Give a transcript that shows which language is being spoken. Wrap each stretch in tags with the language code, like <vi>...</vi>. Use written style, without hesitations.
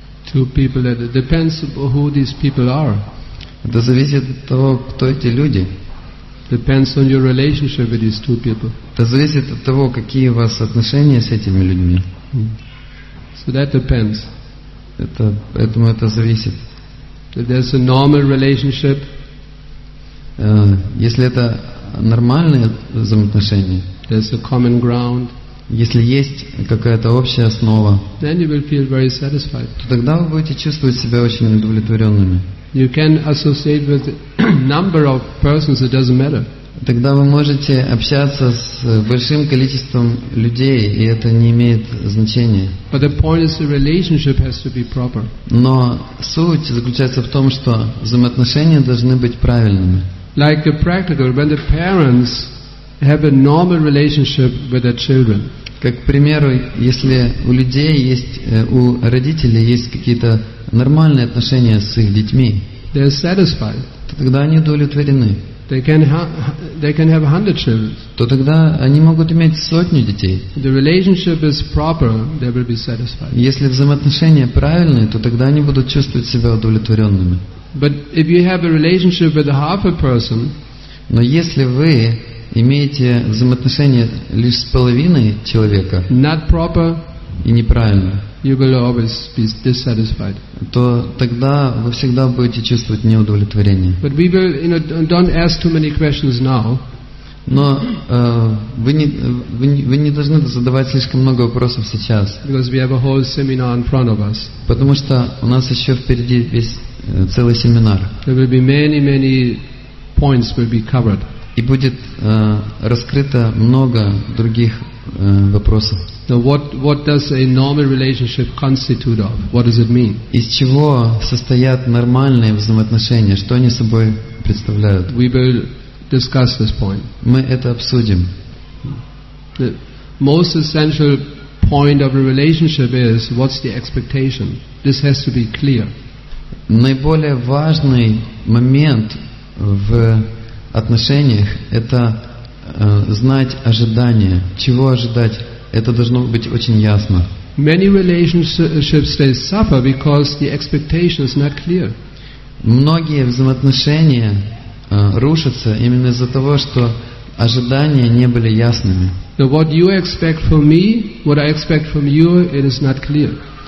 <en>Two people, it depends on who these people are.</en> <ru>Это зависит от того, кто эти люди.</ru> <en>Depends on your relationship with these two people.</en> <ru>Это зависит от того, какие у вас отношения с этими людьми.</ru> <en>So that depends.</en> <ru>Это, поэтому это зависит.</ru> <en>If there's a normal relationship,</en> <ru>если это нормальные взаимоотношения,</ru> <en>there's a common ground,</en> <ru>если есть какая-то общая основа,</ru> <en>then you will feel very satisfied.</en> <ru>То тогда вы будете чувствовать себя очень удовлетворенными.</ru> <en>You can associate with a number of persons, it doesn't matter.</en> <ru>Тогда вы можете общаться с большим количеством людей, и это не имеет значения.</ru> <en>But the point is, the relationship has to be proper.</en> <ru>Но суть заключается в том, что взаимоотношения должны быть правильными.</ru> <en>Like a practical, when the parents have a normal relationship with their children.</en> <ru>Как к примеру, если у людей есть, у родителей есть какие-то нормальные отношения с их детьми,</ru> <en>they are satisfied.</en> <ru>То тогда они удовлетворены.</ru> <en>They can have 100 children.</en> <ru>То тогда они могут иметь сотню детей.</ru> <en>The relationship is proper, they will be satisfied.</en> <ru>Если взаимоотношения правильные, то тогда они будут чувствовать себя удовлетворенными.</ru> <en>But if you have a relationship with half a person,</en> <ru>но если вы имеете взаимоотношения лишь с половиной человека,</ru> <en>not proper,</en> <ru>и неправильно,</ru> <en>you will always be dissatisfied.</en> <ru>То тогда вы всегда будете чувствовать неудовлетворение.</ru> <en>But we will, you know, don't ask too many questions now.</en> <ru>Но вы не должны задавать слишком много вопросов сейчас.</ru> <en>Because we have a whole seminar in front of us.</en> <ru>Потому что у нас еще впереди весь целый семинар.</ru> <en>There will be many, many points will be covered.</en> <ru>И будет раскрыто много других вопросов.</ru> <en>Now what does a normal relationship constitute of? What does it mean?</en> <ru>Из чего состоят нормальные взаимоотношения? Что они собой представляют?</ru> <en>We will discuss this point.</en> <ru>Мы это обсудим.</ru> <en>The most essential point of a relationship is what's the expectation? This has to be clear.</en> <ru>Наиболее важный момент в отношениях это знать ожидания. Чего ожидать? Это должно быть очень ясно.</ru> <en>Many relationships they suffer because the expectation is not clear.</en> <ru>Многие взаимоотношения рушатся именно из-за того, что ожидания не были ясными.</ru> <en>So what you expect from me, what I expect from you, it is not clear.</en>